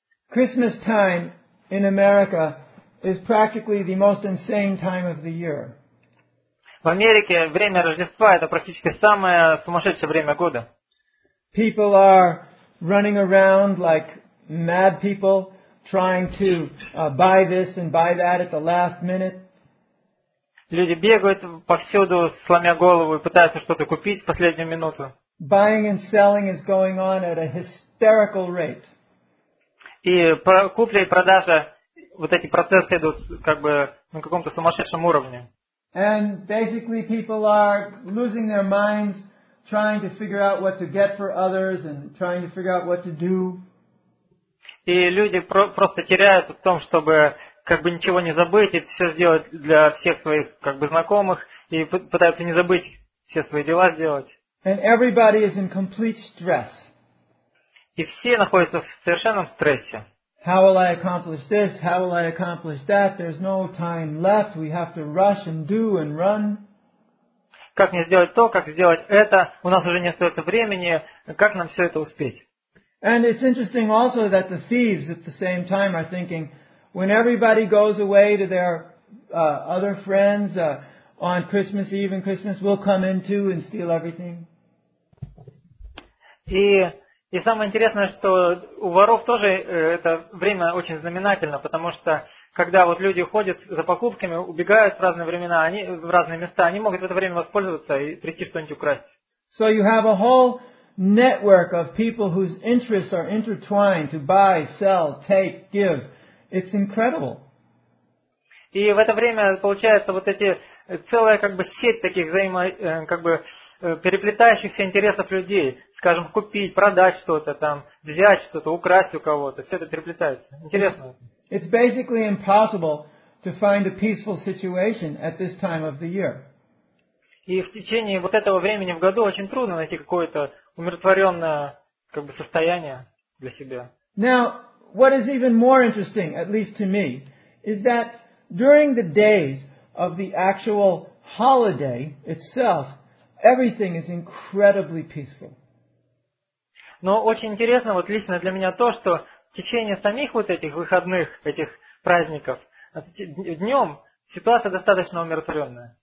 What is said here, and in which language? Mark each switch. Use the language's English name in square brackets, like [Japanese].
[English] Christmas time in America is practically the most insane time of the year. [Russian] В Америке время Рождества это практически самое сумасшедшее время года. [English] People are running around like mad people, trying to buy this and buy that at the last minute. [Russian] Люди бегают повсюду, сломя голову, и пытаются что-то купить в последнюю минуту. [English] Buying and selling is going on at a hysterical rate. [Russian] И купля и продажа, вот эти процессы идут как бы на каком-то сумасшедшем уровне. [English] And basically people are losing their minds, trying to figure out what to get for others and trying to figure out what to do. [Russian] И люди просто теряются в том, чтобы как бы ничего не забыть и все сделать для всех своих как бы знакомых и пытаются не забыть все свои дела сделать. [English] And everybody is in complete stress. [Russian] И все находятся в совершенном стрессе. [English] How will I accomplish this? How will I accomplish that? There's no time left. We have to rush and do and run. [Russian] Как мне сделать то, как сделать это? У нас уже не остается времени. Как нам все это успеть? [English] And it's interesting also that the thieves at the same time are thinking, when everybody goes away to their other friends on Christmas Eve and Christmas, we'll come in too and steal everything. [Russian] И самое интересное, что у воров тоже это время очень знаменательно, потому что когда вот люди ходят за покупками, убегают в разные времена, они в разные места, они могут в это время воспользоваться и прийти что-нибудь украсть. [English] So you have a whole network of people whose interests are intertwined to buy, sell, take, give. It's incredible. [Russian] И в это время получается вот эти целая как бы сеть таких переплетающихся интересов людей, скажем, купить, продать что-то там, взять что-то, украсть у кого-то, все это переплетается. Интересно. [English] It's basically impossible to find a peaceful situation at this time of the year. [Russian] И в течение вот этого времени в году очень трудно найти какое-то умиротворенное как бы состояние для себя. [English] Now, what is even more interesting, at least to me, is that during the days of the actual holiday itself, everything is incredibly peaceful. [Russian] Но очень интересно вот лично для меня то, что в течение самих вот этих выходных, этих праздников, днем ситуация достаточно умиротворенная.